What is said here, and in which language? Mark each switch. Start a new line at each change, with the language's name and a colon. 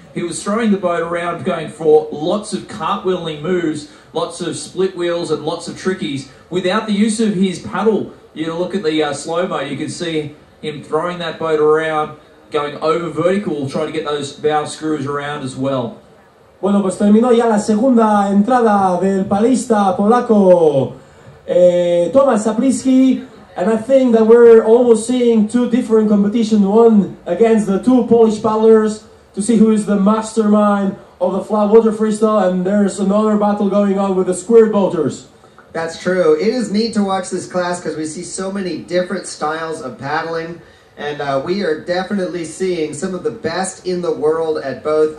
English: He was throwing the boat around, going for lots of cartwheeling moves, lots of split wheels and lots of trickies. Without the use of his paddle, you look at the slow-mo, you can see him throwing that boat around, going over vertical, trying to get those bow screws around as well.
Spanish: Bueno, pues terminó ya la segunda entrada del palista polaco, Tomasz Chaplicki.
English: And I think that we're almost seeing two different competitions, one against the two Polish paddlers, to see who is the mastermind of the flat water freestyle, and there's another battle going on with the squirt boaters. That's true. It is neat to watch this class because we see so many different styles of paddling, and we are definitely seeing some of the best in the world at both.